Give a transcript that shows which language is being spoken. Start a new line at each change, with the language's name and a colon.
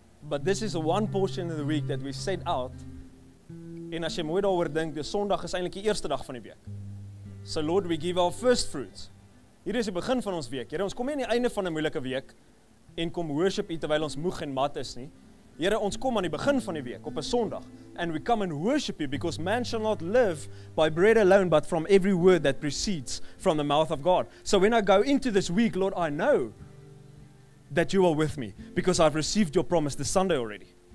English: But this is the one portion of the week that we set out.
Afrikaans: En as jy mooi daaroor dink, die Sondag is eintlik die eerste dag van die week.
English: So Lord, we give our first fruits.
Afrikaans: Hier is die begin van ons week. Here, ons kom nie aan die einde van 'n moeilike week en kom worship U terwyl ons moeg en mat is nie. Here, ons kom aan die begin van die week op 'n Sondag.
English: And we come and worship You because man shall not live by bread alone, but from every word that proceeds from the mouth of God. So when I go into this week, Lord, I know that You are with me because I've received Your promise this Sunday already.